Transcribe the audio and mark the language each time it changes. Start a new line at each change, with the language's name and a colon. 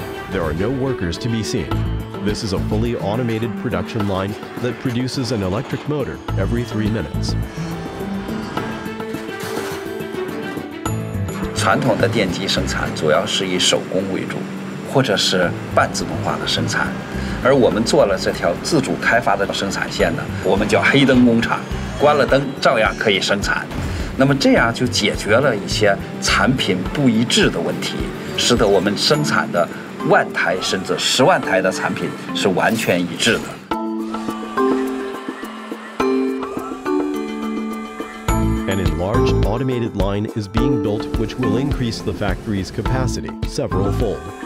English: There are no workers to be seen. This is a fully automated production line that produces an electric motor every 3 minutes.
Chinese: 传统的电机生产主要是以手工为主，或者是半自动化的生产，而我们做了这条自主开发的生产线呢，我们叫黑灯工厂，关了灯照样可以生产。那么这样就解决了一些产品不一致的问题，使得我们生产的万台甚至十万台的产品是完全一致的。
English: An enlarged automated line is being built, which will increase the factory's capacity several fold.